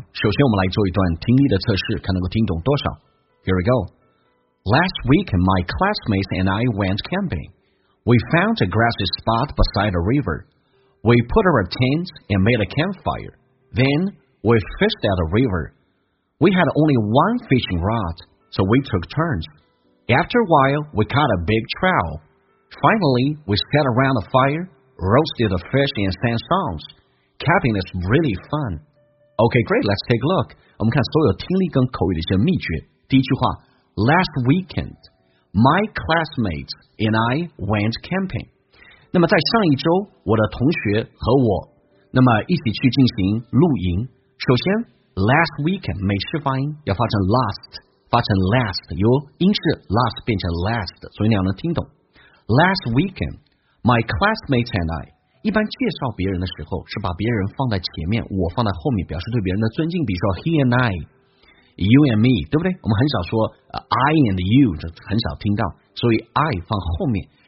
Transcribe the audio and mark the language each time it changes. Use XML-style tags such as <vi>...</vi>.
<zh>首先我们来做一段听力的测试，看能够听懂多少。</zh> <en>Here we go. Last week, my classmates and I went camping. We found a grassy spot beside a river. We put our tents and made a campfire. Then, we fished at the river. We had only one fishing rod, so we took turns. After a while, we caught a big trout. Finally, we sat around a fire,roasted the fish and sang songs. Camping is really fun. Okay, great. Let's take a look.</en> <zh>我们看所有听力跟口语的一些秘诀。第一句话</zh> <en>，Last weekend, my classmates and I went camping.</en> <zh>那么在上一周，我的同学和我，那么一起去进行露营。首先 ，last weekend 美式发音要发成 last， 发成 last， 由英式 last 变成 last， 所以你要能听懂。</zh> <en>Last weekend. My classmates and I</en> <zh>一般介绍别人的时候是把别人放在前面，我放在后面，表示对别人的尊敬。比如说</zh> <en>he and I, you and me，</en> <zh>对不对？我们很少说、</zh> <en>I and you，</en> <zh>这很少听到，所以 I 放后面。</zh>